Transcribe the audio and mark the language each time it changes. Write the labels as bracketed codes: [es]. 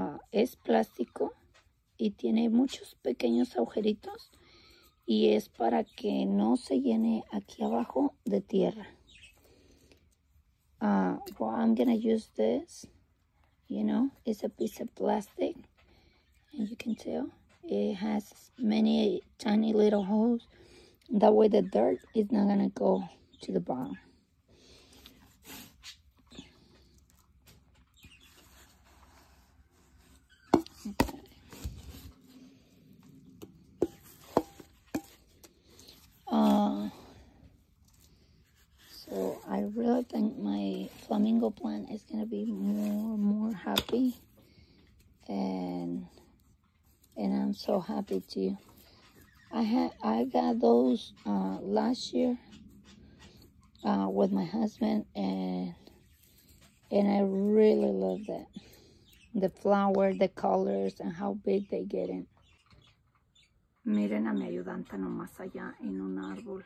[es] Es plástico y tiene muchos pequeños agujeritos, y es para que no se llene aquí abajo de tierra. [en] Well, I'm gonna use this, you know, it's a piece of plastic, and you can tell it has many tiny little holes. That way the dirt is not gonna go to the bottom. So I really think my flamingo plant is gonna be more happy, and I'm so happy too. I got those last year with my husband, and I really love that. The flower, the colors, and how big they get in. [es] Miren a mi ayudante nomás allá en un árbol.